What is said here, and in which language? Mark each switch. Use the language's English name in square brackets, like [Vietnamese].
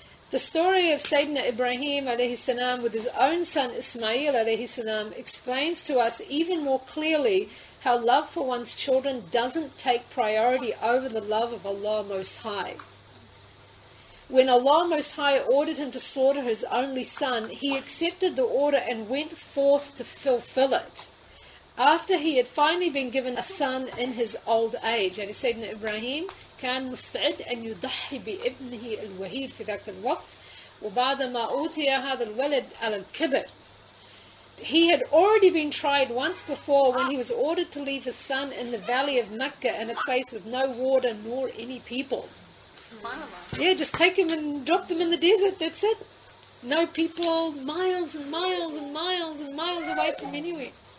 [English] The story of Sayyidina Ibrahim alayhi salam with his own son Ismail alayhi salam explains to us even more clearly how love for one's children doesn't take priority over the love of Allah Most High. When Allah Most High ordered him to slaughter his only son, he accepted the order and went forth to fulfill it. After he had finally been given a son in his old age, and Sayyidina Ibrahim, [Arabic] كان مستعد أن يضحي بابنه الوهيد في ذاك الوقت. وبعدما أوتي هذا الولد على الكبر, [English] he had already been tried once before when he was ordered to leave his son in the valley of Mecca in a place with no water nor any people. Yeah, just take him and drop them in the desert, that's it. No people, miles and miles and miles and miles away from anywhere.